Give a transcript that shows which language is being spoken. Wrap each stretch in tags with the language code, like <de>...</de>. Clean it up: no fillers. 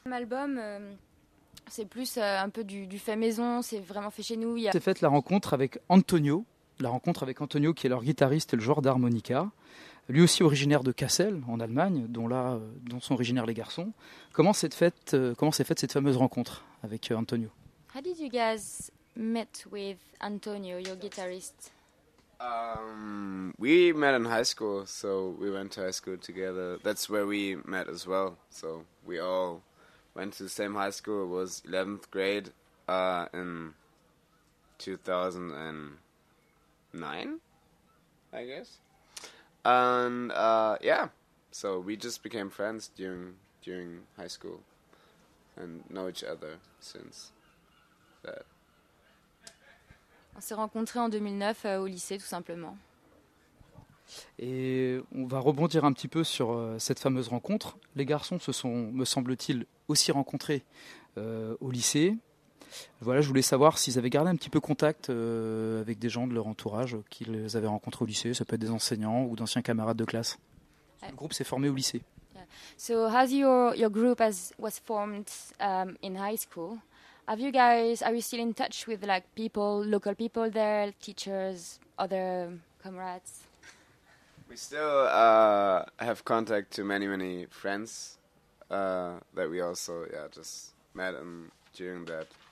<fr>L'album, c'est plus un peu du fait maison, c'est vraiment fait chez nous. C'est fait la rencontre avec Antonio, qui est leur guitariste et le joueur d'harmonica. Lui aussi originaire de Kassel, en Allemagne, dont sont originaires les garçons. Comment s'est faite cette fameuse rencontre avec Antonio?</fr> <en>How did you guys meet with Antonio, your guitarist? We met in high school, so we went to high school together. That's where we met as well. So we all went to the same high school. It was 11th grade in 2009, I guess. And yeah, so we just became friends during high school and know each other since that.</en> <fr>On s'est rencontrés en 2009 au lycée, tout simplement. Et on va rebondir un petit peu sur cette fameuse rencontre. Les garçons se sont, me semble-t-il, aussi rencontrés au lycée. Voilà, je voulais savoir s'ils avaient gardé un petit peu contact avec des gens de leur entourage qu'ils avaient rencontrés au lycée. Ça peut être des enseignants ou d'anciens camarades de classe. Le groupe s'est formé au lycée.</fr> <en>So how's your group was formed in high school? Have you guys, are you still in touch with like people, local people there, teachers, other comrades? We still have contact to many friends that we also just met in during that.</en>